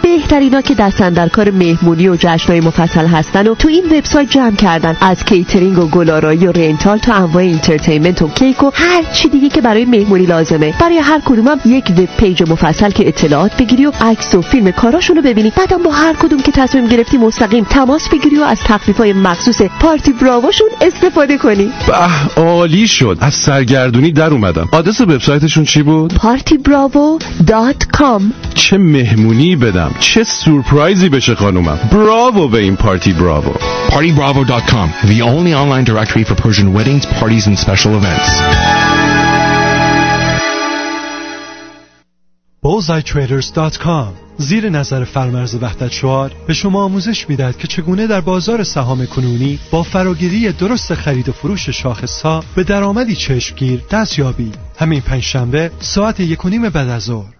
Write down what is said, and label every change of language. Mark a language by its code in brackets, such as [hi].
[fa] بهترینا که دست اندرکار مهمونی و جشنهای مفصل هستن و تو این وبسایت جمع کردن، از کیترینگ و گلارایی و رنتال تا انواع اینترتینمنت و کیک و هر چی دیگه که برای مهمونی لازمه، برای هر کدومم یک وب پیج مفصل که اطلاعات بگیری و عکس و فیلم کاراشون رو ببینی، بعدم با هر کدوم که تصمیم گرفتی مستقیم تماس بگیری و از تخفیف‌های مخصوص پارتی براواشون استفاده کنی. به عالی شد، از سرگردونی در اومدم. آدرس وبسایتشون چی بود؟ [en] partybravo.com. [fa] چه مهمونی بدم، چه سورپرایزی بشه خانومم. براوو به این پارتی براوو. [en] partybravo.com, the only online directory for Persian weddings, parties and special events. [fa] bullseyetraders.com زیر نظر فرمرز وحدت شعار به شما آموزش میدهد که چگونه در بازار سهام کنونی با فراگیری درست خرید و فروش شاخصها به درآمدی چشمگیر دست یابید. همین پنجشنبه ساعت 1:30 بعد از ظهر.